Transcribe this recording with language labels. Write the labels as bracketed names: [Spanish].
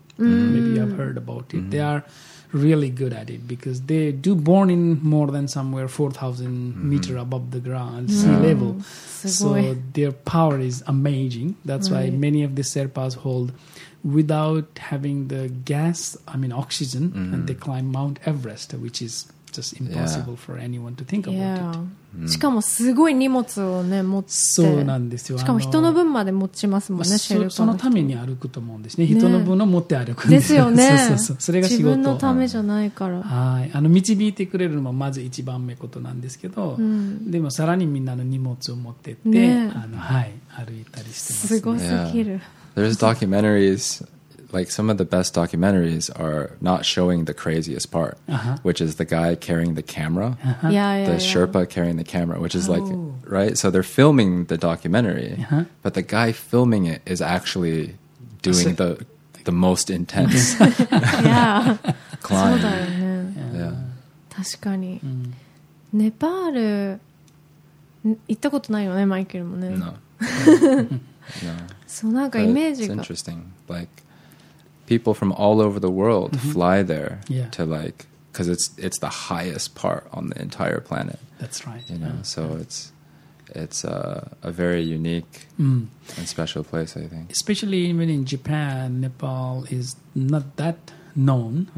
[English] Maybe you have heard about it. They are really good at it because they do born in more than somewhere 4,000 meter above the ground sea level. So their power is amazing. That's why many of the Sherpas hold without having the gas, I mean oxygen, and they climb Mount Everest, which is just impossible for anyone to think about it. [Japanese] しかもすごい荷物をね持って、そうなんですよ。しかも人の分まで持ちますもんね。そのために歩くと思うんですね。人の分を持って歩くんですよね。それが仕事。自分のためじゃないから。はい、導いてくれるのもまず一番目ことなんですけど、でもさらにみんなの荷物を持ってって、はい、歩いたりしてます。すごすぎる。 [English] There's documentaries. Like some of the best documentaries are not showing the craziest part, which is the guy carrying the camera, Sherpa carrying the camera, which is like, right? So they're filming the documentary, but the guy filming it is actually doing the most intense climb. [Japanese] Yeah. 確かに。ネパール行ったことないよね、マイケルもね。 [English] No. [Japanese] そう、なんかイメージが。 [English] It's interesting. Like,People from all over the world fly there to like, because it's the highest part on the entire planet. That's right. You know, so it's it's a very unique and special place, I think. Especially even in Japan, Nepal is not that known.